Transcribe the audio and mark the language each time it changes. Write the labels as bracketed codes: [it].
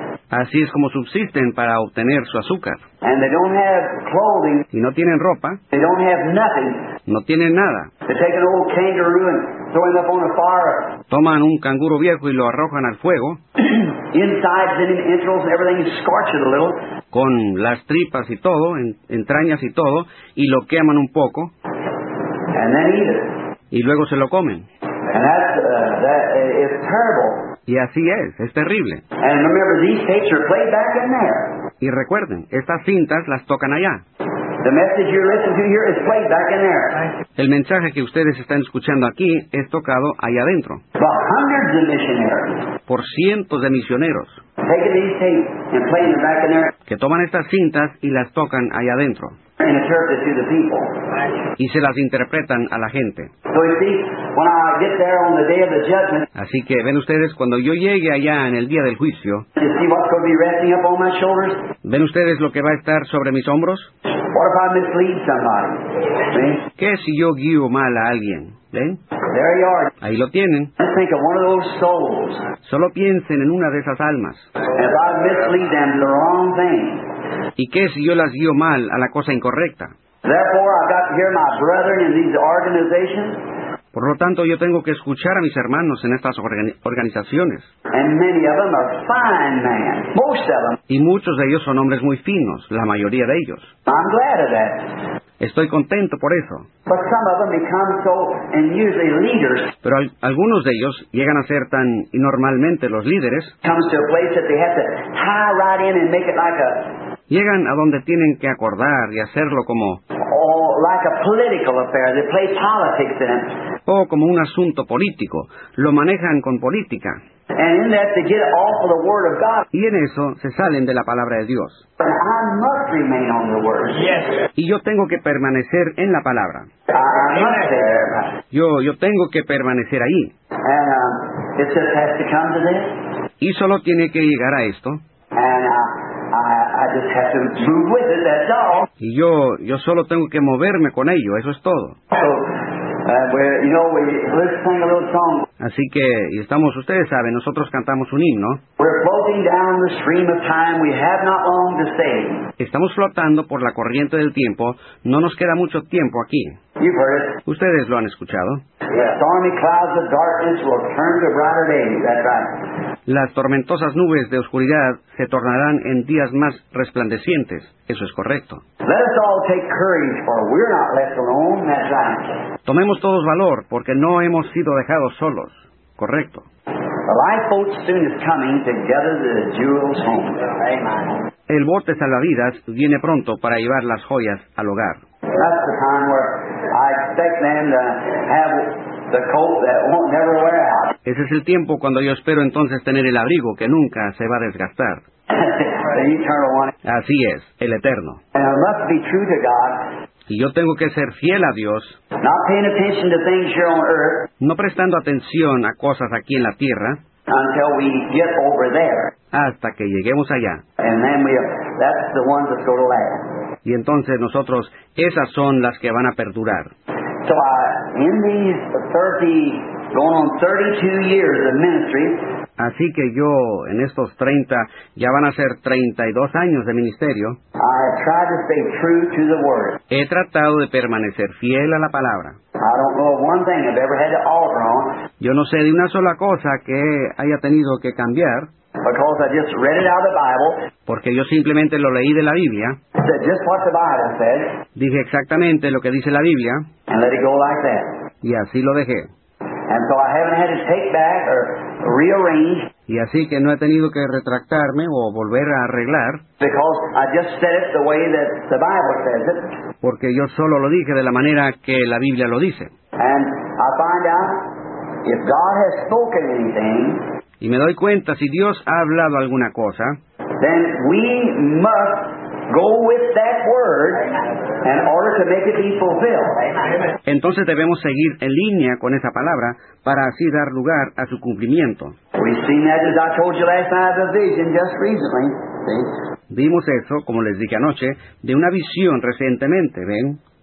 [es] Así es como subsisten para obtener su azúcar. [en] And they don't have clothing. [es] Y no tienen ropa. [en] They don't have nothing. [es] No tienen nada. [en] They take an old kangaroo and throw him up on the fire. [es] Toman un canguro viejo y lo arrojan al fuego. [en] Insides and entrails and everything, scorch it a little. [es] Con las tripas y todo, entrañas y todo, y lo queman un poco. [en] And then eat it. [es] Y luego se lo comen. [en] And that's, that is terrible. [es] Y así es terrible. [en] And remember, these tapes are played back in there. [es] Y recuerden, estas cintas las tocan allá. [en] The message you're listening to here is played back in there. [es] El mensaje que ustedes están escuchando aquí es tocado allá adentro. [en] But hundreds of missionaries. [es] Por cientos de misioneros. [en] Taking these tapes and playing them back in there. [es] Que toman estas cintas y las tocan allá adentro. [en] And interpret to the people. [es] Y se las interpretan a la gente. [en] So you see, when I get there on the day of the judgment. [es] Así que ven ustedes cuando yo llegue allá en el día del juicio. [en] You see what's going to be resting up on my shoulders. [es] Ven ustedes lo que va a estar sobre mis hombros. [en] What if I mislead somebody? [es] ¿Qué si yo guío mal a alguien? ¿Ven? [en] There you are. [es] Ahí lo tienen. [en] Just think of one of those souls. [es] Solo piensen en una de esas almas. [en] And if I mislead them to the wrong thing. [es] ¿Y qué si yo las guío mal a la cosa incorrecta? [en] Therefore, I've got to hear my brethren in these organizations. [es] Por lo tanto, yo tengo que escuchar a mis hermanos en estas organizaciones. [en] And many of them are fine men. Most of them. [es] Y muchos de ellos son hombres muy finos, la mayoría de ellos. [en] I'm glad of that. [es] Estoy contento por eso. [en] But some of them become so, and usually leaders. [es] Pero algunos de ellos llegan a ser tan normalmente los líderes. [en] Comes to a place that they have to tie right in and make it like a. [es] Llegan a donde tienen que acordar y hacerlo como. [en] Or like a political affair. They play politics in it. [es] O como un asunto político. Lo manejan con política. [en] And in that they get off of the word of God. [es] Y en eso se salen de la palabra de Dios. [en] But I must remain on the word. Yes. [es] Y yo tengo que permanecer en la palabra. [en] I must there. [es] Yo tengo que permanecer ahí. [en] And it just has to come to this. [es] Y solo tiene que llegar a esto. [en] And I just have to move with it, that's all. [es] Y yo solo tengo que moverme con ello, eso es todo. [en] So, let's sing a little song. [es] Así que, y estamos, ustedes saben, nosotros cantamos un himno. [en] We're floating down the stream of time, we have not long to stay. [es] Estamos flotando por la corriente del tiempo, no nos queda mucho tiempo aquí. [en] You've heard it. [es] Ustedes lo han escuchado. [en] Yeah, stormy clouds of darkness will turn to brighter days, that's right. [es] Las tormentosas nubes de oscuridad se tornarán en días más resplandecientes. Eso es correcto. [en] Let us all take courage, for we're not left alone. That's right. [es] Tomemos todos valor, porque no hemos sido dejados solos. Correcto. [en] The lifeboat soon is coming to gather the jewels home. [es] El bote salvavidas viene pronto para llevar las joyas al hogar. [en] That's the time where I expect them to have the coat that won't never wear out. [es] Ese es el tiempo cuando yo espero entonces tener el abrigo que nunca se va a desgastar. [en] The eternal one. [es] Así es, el eterno. [en] And it must be true to God. [es] Y yo tengo que ser fiel a Dios. [en] Not paying attention to things here on earth. [es] No prestando atención a cosas aquí en la tierra. [en] Until we get over there. [es] Hasta que lleguemos allá. [en] And then that's the ones that's going to last. [es] Y entonces nosotros, esas son las que van a perdurar. [en] So in these 30, going on 32 years of ministry. [es] Así que yo, en estos 30, ya van a ser 32 años de ministerio. [en] I try to stay true to the word. [es] He tratado de permanecer fiel a la palabra. [en] I don't know of one thing I've ever had to alter on. [es] Yo no sé de una sola cosa que haya tenido que cambiar. [en] Because I just read it out of the Bible. [es] Porque yo simplemente lo leí de la Biblia. [en] Said just what the Bible said. [es] Dije exactamente lo que dice la Biblia. [en] And let it go like that. [es] Y así lo dejé. [en] And so I haven't had to take back or rearrange. [es] Y así que no he tenido que retractarme o volver a arreglar. [en] Because I just said it the way that the Bible says it. [es] Porque yo solo lo dije de la manera que la Biblia lo dice. [en] And I find out if God has spoken anything. [es] Y me doy cuenta, si Dios ha hablado alguna cosa, [en] then we must go with that word in order to make it be fulfilled. [es] Entonces debemos seguir en línea con esa palabra para así dar lugar a su cumplimiento. [en] We've seen that, as I told you last night, a vision just recently. [es] Vimos eso, como les dije anoche, de una visión recientemente, ¿ven?